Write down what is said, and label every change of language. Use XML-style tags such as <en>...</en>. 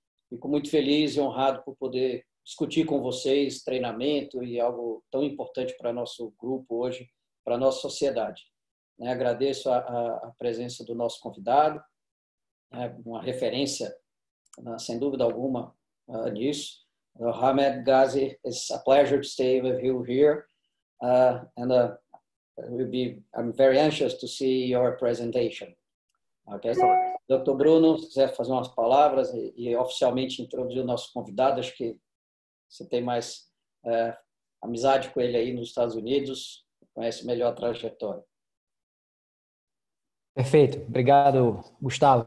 <pt>Fico muito feliz e honrado por poder discutir com vocês treinamento e algo tão importante para nosso grupo hoje, para nossa sociedade. Agradeço a presença do nosso convidado, uma referência, sem dúvida alguma, nisso.</pt> <en>Hamed Ghazi, it's a pleasure to stay with you here, I'm very anxious to see your presentation.</en> <pt>Ok, Dr. Bruno, se quiser fazer umas palavras e oficialmente introduzir o nosso convidado, acho que você tem mais amizade com ele aí nos Estados Unidos, conhece melhor a trajetória. Perfeito, obrigado, Gustavo.</pt>